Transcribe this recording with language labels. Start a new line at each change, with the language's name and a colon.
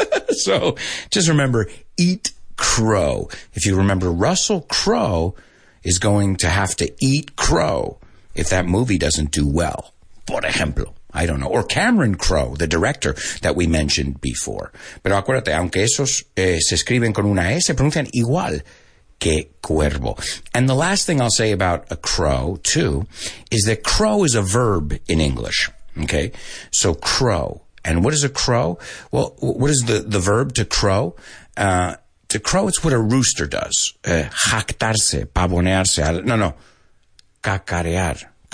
English: So just remember, eat crow. If you remember, Russell Crowe is going to have to eat crow if that movie doesn't do well.
Spanish: Por ejemplo,
English: I don't know. Or Cameron Crowe, the director that we mentioned before.
Spanish: Pero acuérdate, aunque esos se escriben con una S, se pronuncian igual que cuervo.
English: And the last thing I'll say about a crow, too, is that crow is a verb in English. Okay? So crow. And what is a crow? Well, what is the verb to crow? To crow, it's what a rooster does.
Spanish: Jactarse, pavonearse. No. Cacarear.